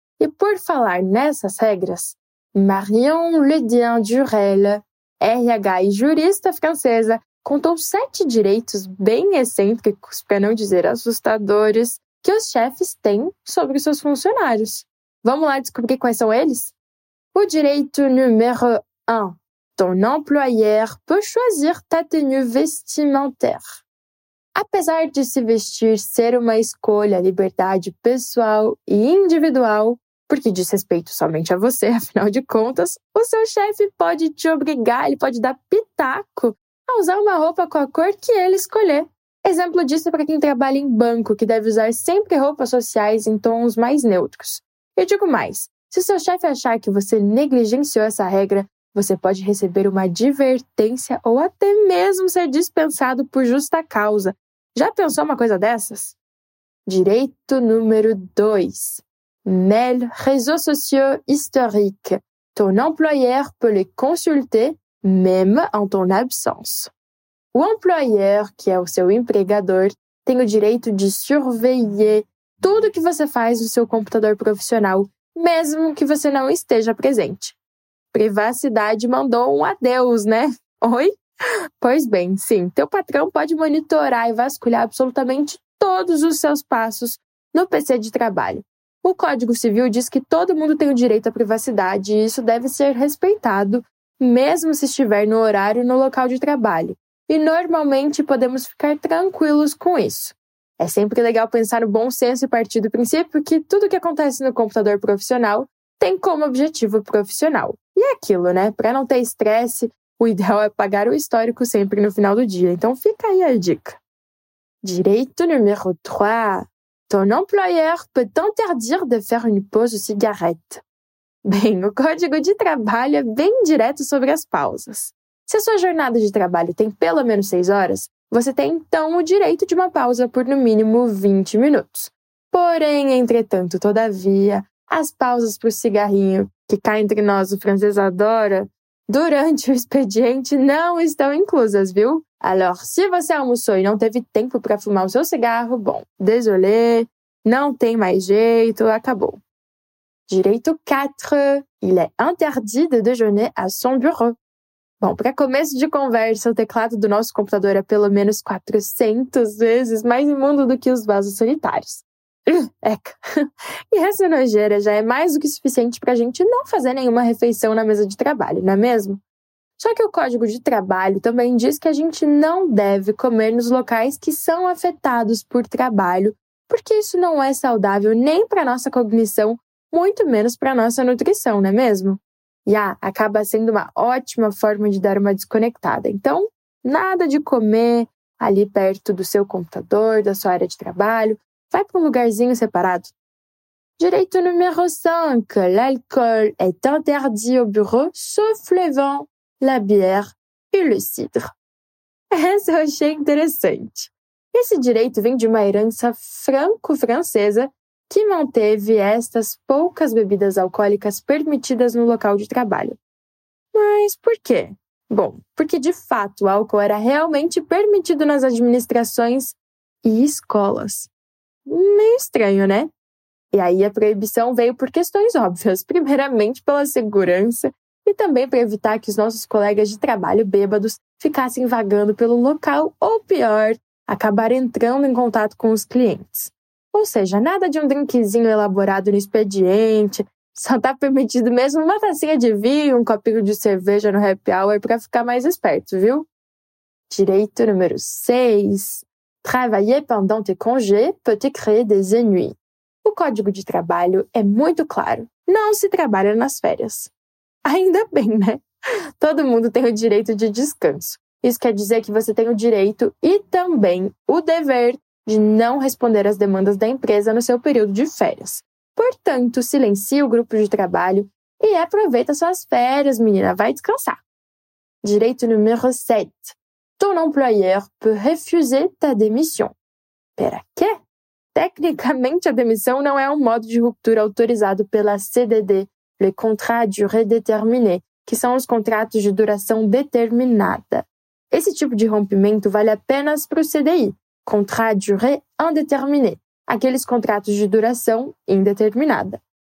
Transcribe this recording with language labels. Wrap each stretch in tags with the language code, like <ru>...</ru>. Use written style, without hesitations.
<pt>E por falar nessas regras, Marion Ledien Durel, RH e jurista francesa, contou 7 direitos bem excêntricos, para não dizer assustadores, que os chefes têm sobre seus funcionários. Vamos lá descobrir quais são eles? O direito número 1.</pt> <fr>Ton employeur peut choisir ta tenue vestimentaire.</fr> <pt>Apesar de se vestir ser uma escolha, liberdade pessoal e individual, porque diz respeito somente a você, afinal de contas, o seu chefe pode te obrigar, ele pode dar pitaco a usar uma roupa com a cor que ele escolher. Exemplo disso é para quem trabalha em banco, que deve usar sempre roupas sociais em tons mais neutros. E digo mais, se o seu chefe achar que você negligenciou essa regra, você pode receber uma advertência ou até mesmo ser dispensado por justa causa. Já pensou uma coisa dessas? Direito número 2.</pt> <fr>Mêle réseaux sociaux historiques. Ton employeur peut les consulter même en ton absence.</fr> <pt>O employeur, que é o seu empregador, tem o direito de surveiller tudo que você faz no seu computador profissional, mesmo que você não esteja presente. Privacidade mandou um adeus, né? Oi? Pois bem, sim, teu patrão pode monitorar e vasculhar absolutamente todos os seus passos no PC de trabalho. O Código Civil diz que todo mundo tem o direito à privacidade e isso deve ser respeitado, mesmo se estiver no horário e no local de trabalho. E normalmente podemos ficar tranquilos com isso. É sempre legal pensar no bom senso e partir do princípio que tudo o que acontece no computador profissional tem como objetivo profissional. E é aquilo, né? Para não ter estresse, o ideal é pagar o histórico sempre no final do dia. Então fica aí a dica. Direito número 3.</pt> <fr>Ton employeur peut interdire de faire une pause cigarette.</fr> <pt>Bem, o código de trabalho é bem direto sobre as pausas. Se a sua jornada de trabalho tem pelo menos 6 horas, você tem então o direito de uma pausa por no mínimo 20 minutos. Porém, entretanto, todavia, as pausas para o cigarrinho, que cá entre nós o francês adora, durante o expediente não estão inclusas, viu? Alors, se você almoçou e não teve tempo para fumar o seu cigarro, bom, désolé, não tem mais jeito, acabou. Direito 4.</pt> <fr>Il est interdit de déjeuner à son bureau.</fr> <pt>Bom, para começo de conversa, o teclado do nosso computador é pelo menos 400 vezes mais imundo do que os vasos sanitários. Eca! E essa nojeira já é mais do que suficiente para a gente não fazer nenhuma refeição na mesa de trabalho, não é mesmo? Só que o código de trabalho também diz que a gente não deve comer nos locais que são afetados por trabalho, porque isso não é saudável nem para a nossa cognição, muito menos para a nossa nutrição, não é mesmo? E acaba sendo uma ótima forma de dar uma desconectada. Então, nada de comer ali perto do seu computador, da sua área de trabalho. Vai para um lugarzinho separado. Direito número 5.</pt> <fr>L'alcool est interdit au bureau, sauf le vin, la bière et le cidre.</fr> <pt>Essa eu achei interessante. Esse direito vem de uma herança franco-francesa que manteve estas poucas bebidas alcoólicas permitidas no local de trabalho. Mas por quê? Bom, porque de fato o álcool era realmente permitido nas administrações e escolas. Meio estranho, né? E aí a proibição veio por questões óbvias, primeiramente pela segurança e também para evitar que os nossos colegas de trabalho bêbados ficassem vagando pelo local ou, pior, acabar entrando em contato com os clientes. Ou seja, nada de um drinkzinho elaborado no expediente, só está permitido mesmo uma tacinha de vinho, um copinho de cerveja no happy hour para ficar mais esperto, viu? Direito número 6.</pt> <fr>Travailler pendant tes congés peut te créer des ennuis.</fr> <pt>O código de trabalho é muito claro. Não se trabalha nas férias. Ainda bem, né? Todo mundo tem o direito de descanso. Isso quer dizer que você tem o direito e também o dever de não responder às demandas da empresa no seu período de férias. Portanto, silencie o grupo de trabalho e aproveita suas férias, menina. Vai descansar. Direito número 7.</pt> <fr>Ton employeur peut refuser ta démission.</fr> <pt>Pera quê? Tecnicamente, a demissão não é um modo de ruptura autorizado pela CDD,</pt> <fr>le contrat à durée déterminée,</fr> <pt>que são os contratos de duração determinada. Esse tipo de rompimento vale apenas para o CDI,</pt> <fr>contrat à durée indéterminée,</fr> <pt>aqueles contratos de duração indeterminada.</pt>